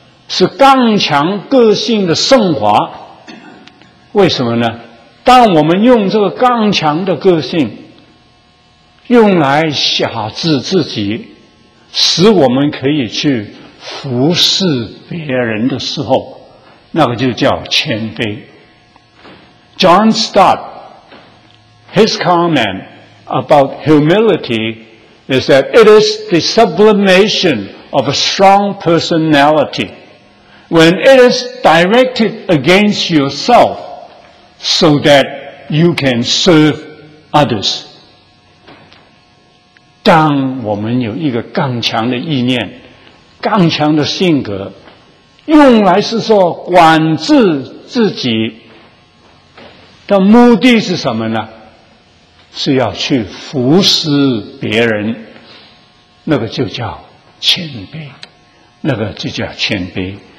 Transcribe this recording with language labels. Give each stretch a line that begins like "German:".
Chinese: 是刚强个性的升华。” 为什么呢？当我们用这个刚强的个性用来辖制自己，使我们可以去服侍别人的时候，那个就叫谦卑。
English: John Stott, his comment about humility is that it is the sublimation of a strong personality. When it is directed against yourself, so that you can serve others.
Chinese: 当我们有一个刚强的意念，刚强的性格，用来是说管制自己的目的是什么呢？是要去服侍别人，那个就叫谦卑，那个就叫谦卑。